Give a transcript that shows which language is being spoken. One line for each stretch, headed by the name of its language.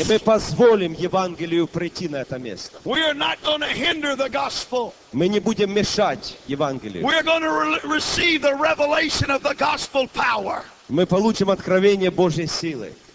Russian: И мы позволим Евангелию прийти на это место.
English: We are not going to hinder the gospel.
Russian: Мы не будем мешать Евангелию.
English: We're going to receive the revelation of the gospel power.
Russian: Мы получим откровение Божьей силы.